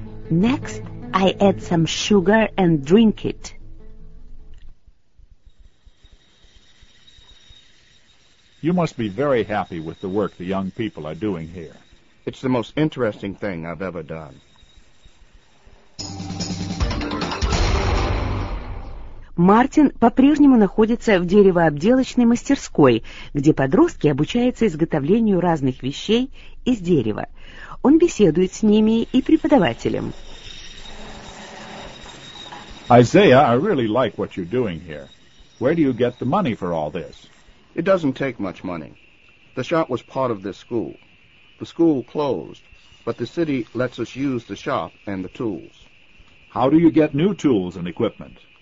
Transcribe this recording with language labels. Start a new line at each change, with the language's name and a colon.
English: Next, I add some sugar and drink it. You must be very happy with the work the young people are doing here. It's the most interesting thing I've ever done.
Russian: Мартин по-прежнему находится в деревообделочной мастерской, где подростки обучаются изготовлению разных вещей из дерева. Он беседует с ними и преподавателем.
English: Isaiah, I really like what you're doing here. Where do you get the money for all this? It doesn't take much money. The shop was part of this school. The school closed, but the city lets us use the shop and the tools. How do you get new tools and equipment?